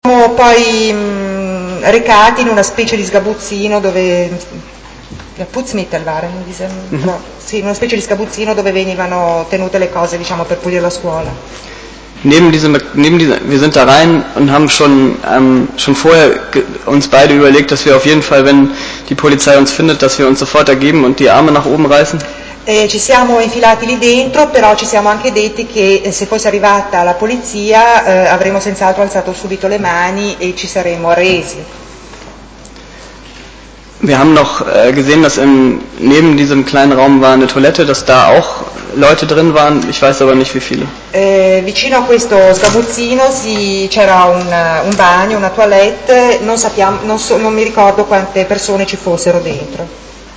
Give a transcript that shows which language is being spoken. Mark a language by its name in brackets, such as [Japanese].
[Italian] poi recati in una specie di sgabuzzino dove... Putzmittelware, mi dice. No, sì, in una specie di sgabuzzino dove venivano tenute le cose, diciamo, per pulire la scuola. [German] Wir sind da rein und haben schon schon vorher uns beide überlegt, dass wir auf jeden Fall, wenn die Polizei uns findet, dass wir uns sofort ergeben und die Arme nach oben reißen. [Italian] Ci siamo infilati lì dentro, però ci siamo anche detti che se fosse arrivata la polizia avremmo senz'altro alzato subito le mani e ci saremmo resi. [German] Wir haben noch gesehen, dass im, neben diesem kleinen Raum war eine Toilette, dass da auch Leute drin waren, ich weiß aber nicht wie viele. [Italian] Vicino a questo sgabuzzino c'era un bagno, una toilette, non mi ricordo quante persone ci fossero dentro.